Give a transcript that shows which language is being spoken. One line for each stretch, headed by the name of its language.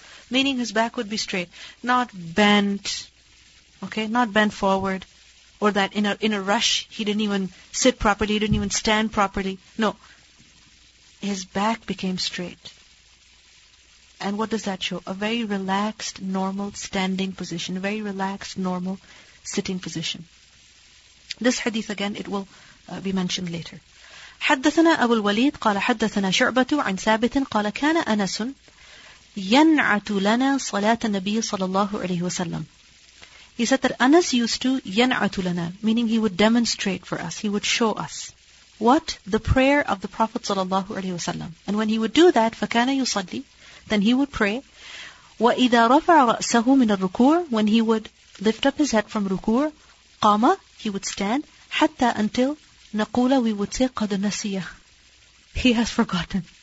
English: Meaning his back would be straight, not bent, okay, not bent forward, or that in a rush he didn't even sit properly, he didn't even stand properly. No. His back became straight. And what does that show? A very relaxed, normal standing position, a very relaxed, normal sitting position. This hadith again, it will be mentioned later.
Arabic: حدثنا أبو الوليد قال حدثنا شعبة عن ثابت قال كان أنس ينعت لنا صلاة النبي صلى الله عليه وسلم.
English: He said that Anas used to
Arabic: ينعت لنا,
English: meaning he would demonstrate for us, he would show us what the prayer of the Prophet صلى الله عليه وسلم. And when he would do that,
Arabic: فكان يصلي,
English: then he would pray.
Arabic: وإذا رفع رأسه من الركوع,
English: when he would lift up his head from ركوع, قام, he would stand, حتى until نقول, we would say, قد نسي, he has forgotten.